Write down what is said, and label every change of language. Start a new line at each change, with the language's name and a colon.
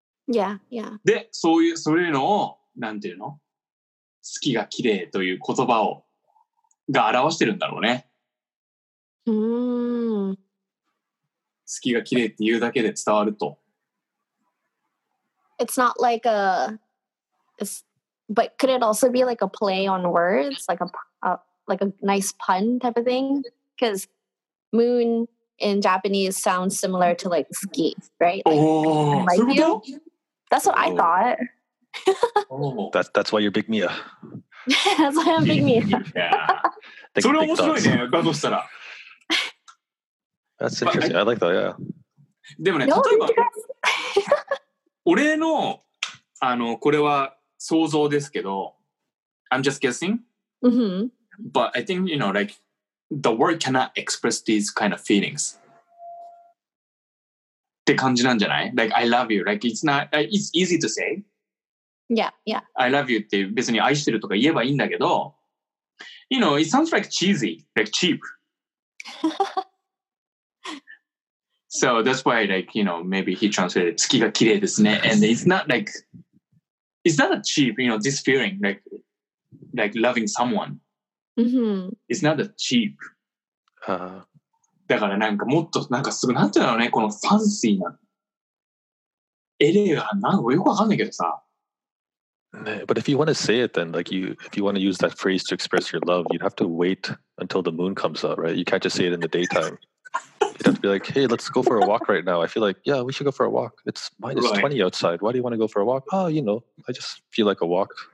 English: Yeah, yeah.
Japanese: で、そういう、そういうのを、なんていうの？好きが綺麗という言葉を、が表してるんだろうね。好きが綺麗っていうだけで伝わると。
English: It's not like a... It's, but could it also be like a play on words? Like a nice pun type of thing? Because moon in Japanese sounds similar to like ski, right? Like, oh, so cool! That's what I thought. Oh, that's why you're Big Mia. That's why I'm Big Mia. Yeah.
Japanese: それ面白いね、だとしたら。
English: That's interesting. I like that, yeah.
Japanese: でもね、例えば、俺の、あの、これは想像ですけど、
English: I'm just guessing. Mm-hmm. But I think, you know, like, the word cannot express these kind of feelings.
Japanese: って感じなんじゃない?
English: Like, I love you. Like, it's not, it's easy to say. Yeah, yeah. I love you
Japanese: って別に愛してるとか言えばいいんだけど、
English: you know, it sounds like cheesy, like cheap. So that's why, like, you know, maybe he translated
Japanese: 月が綺麗ですね。
English: And it's not like, it's not a cheap, you know, this feeling, like loving someone.、 Mm-hmm. It's not a cheap.
Japanese: だからなんかもっとなんかすぐなんていうのねこのファンシーなエレガンなんかよくわかんないけどさ。
English: ね、But if you want to say it, then like you, if you want to use that phrase to express your love, you'd have to wait until the moon comes out, right? You can't just say it in the daytime. You'd have to be like, hey, let's go for a walk right now. I feel like, yeah, we should go for a walk. It's -20 outside. Why do you want to go for a walk? Oh, you know, I just feel like a walk.